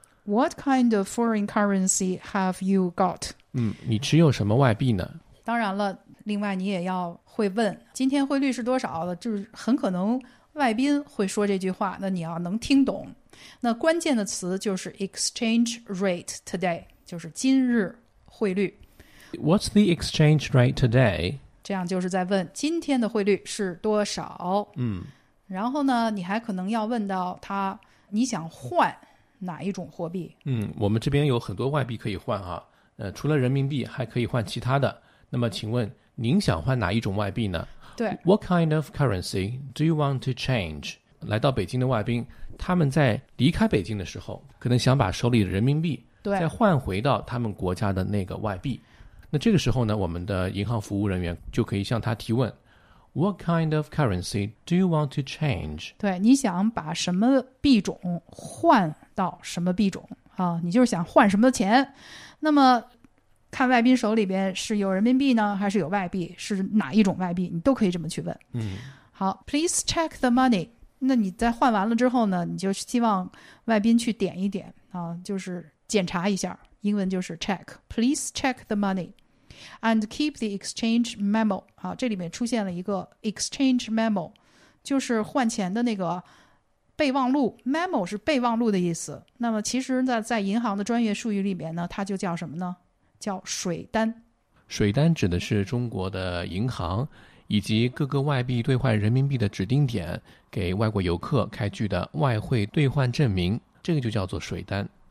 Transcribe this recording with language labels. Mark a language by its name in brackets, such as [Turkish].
[English] What kind of foreign currency have you got? [Chinese] 你持有什么外币呢？当然了，另外你也要会问今天汇率是多少，就是很可能外宾会说这句话，那你要能听懂。那关键的词就是 exchange rate today， 就是今日汇率。 [English] What's the exchange rate today? [Chinese] 这样就是在问今天的汇率是多少。然后呢，你还可能要问到他，你想换哪一种货币。我们这边有很多外币可以换啊，除了人民币还可以换其他的。那么请问您想换哪一种外币呢？对， [English] What kind of currency do you want to change? [Chinese] 来到北京的外宾，他们在离开北京的时候可能想把手里的人民币再换回到他们国家的那个外币。那这个时候呢，我们的银行服务人员就可以向他提问， [English] What kind of currency do you want to change? [Chinese] 对，你想把什么币种换到什么币种啊？你就是想换什么钱。那么看外宾手里边是有人民币呢，还是有外币，是哪一种外币，你都可以这么去问。 [English] 好， Please check the money。 [Chinese] 那你在换完了之后呢，你就希望外宾去点一点啊，就是检查一下，英文就是 check。 [English] Please check the money and keep the exchange memo。 [Chinese] 啊，这里面出现了一个 exchange memo， 就是换钱的那个备忘录。 memo 是备忘录的意思。那么其实在银行的专业术语里面呢，它就叫什么呢？叫水单。水单指的是中国的银行以及各个外币兑换人民币的指定点给外国游客开具的外汇兑换证明，这个就叫做水单。